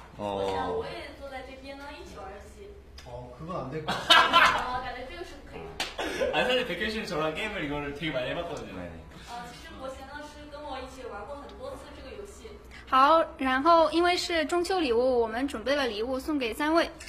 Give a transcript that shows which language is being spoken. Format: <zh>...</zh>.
<zh>我想我也坐在这边呢，一起玩游戏。</zh> <ko>어그건안될것같아</ko> <zh>요我感觉这个是可以。</zh> <ko>아니사실백현씨는저랑게임을이거를되게많이해봤거든요</ko> <zh>아其实博贤老师跟我一起玩过很多次这个游戏。好，然后因为是中秋礼物，我们准备了礼物送给三位。</zh>